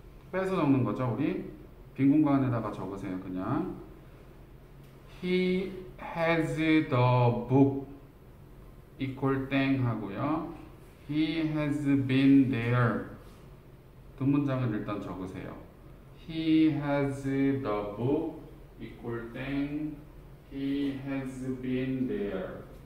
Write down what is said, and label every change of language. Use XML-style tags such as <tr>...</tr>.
<ko>빼서 적는 거죠, 우리? 빈 공간에다가 적으세요, 그냥.</ko> <en>He has the book equal</en> <ko>땡 하고요.</ko> <en>He has been there.</en> <ko>두 문장을 일단 적으세요.</ko> <en>He has the book equal 땡. He has been there.</en>